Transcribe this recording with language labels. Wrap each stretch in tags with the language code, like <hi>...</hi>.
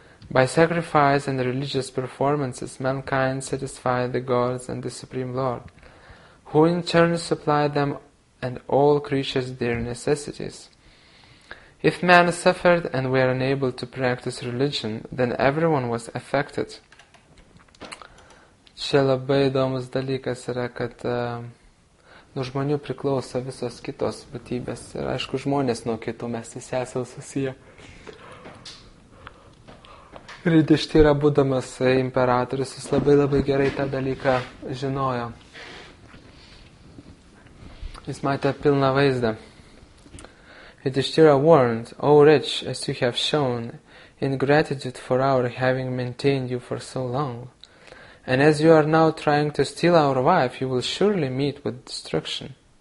<en>By sacrifice and religious performances, mankind satisfied the gods and the Supreme Lord, who in turn supplied them and all creatures their necessities. If man suffered and were unable to practice religion, then everyone was affected.</en> <lt>Čia labai įdomus dalykas yra, kad nuo žmonių priklauso visos kitos būtybės. Ir aišku, žmonės nuo kitų mes visi esame susiję. Ir Yudhishthira, būdamas imperatorius, jis labai labai gerai tą dalyką žinojo. Jis matė pilną vaizdą.</lt> <en>Yudhishthira warned, O wretch, as you have shown, in gratitude for our having maintained you for so long, and as you are now trying to steal our wife, you will surely meet with destruction.</en>